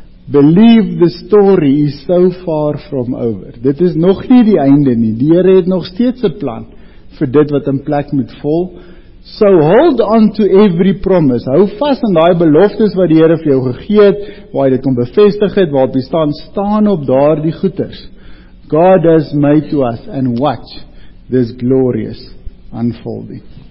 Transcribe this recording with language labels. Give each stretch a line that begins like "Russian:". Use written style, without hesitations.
English: Believe the story is so far from over.
Afrikaans: Dit is nog nie die einde nie. Die Here het nog steeds 'n plan vir dit wat in plek moet val.
English: So hold on to every promise.
Afrikaans: Hou vas aan daai beloftes wat die Here vir jou gegee het, waar hy dit kon bevestig het, waar jy staan, staan op daardie goeders.
English: God has made to us and watch this glorious unfolding.